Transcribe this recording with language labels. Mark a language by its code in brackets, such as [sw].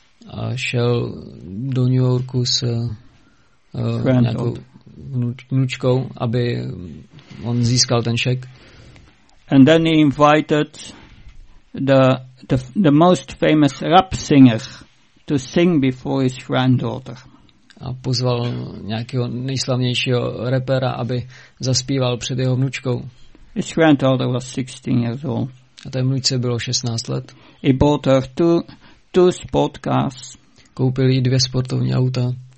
[cs] A šel do New Yorku s nějakou vnučkou, aby on získal ten šek. [en] And then he invited the most famous rap singer to sing before his granddaughter. [cs] A pozval nějakého nejslavnějšího rapera, aby zaspíval před jeho vnučkou. [en] His granddaughter was 16 years old. [cs] A té vnučce bylo 16 let. [en] He bought her two sport cars. [cs] Koupili dvě sportovní auta.